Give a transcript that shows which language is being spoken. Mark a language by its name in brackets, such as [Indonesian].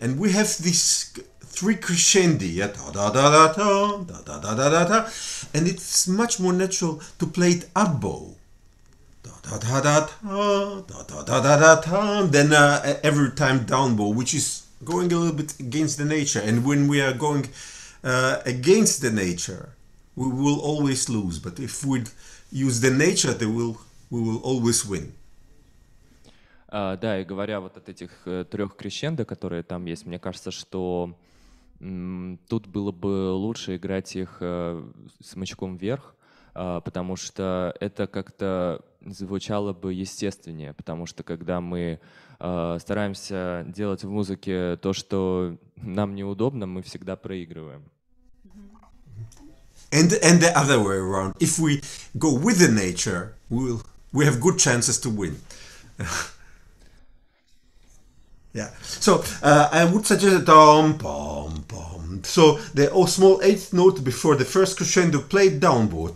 [English] And we have these three crescendi, da-da-da-da-da, and it's much more natural to play it up bow, da-da-da-da-da, than every time down bow, which is going a little bit against the nature, and when we are going against the nature, we will always lose. But if we use the nature, we will always win. [Russian] Да, и говоря вот от этих трех крещендо, которые там есть, мне кажется, что тут было бы лучше играть их смычком вверх, потому что это как-то звучало бы естественнее, потому что когда мы стараемся делать в музыке то, что нам неудобно, мы всегда проигрываем. [English] And the other way around, if we go with the nature, we have good chances to win. Yeah. So I would suggest dom pom pom. So the small eighth note before the first crescendo played downward.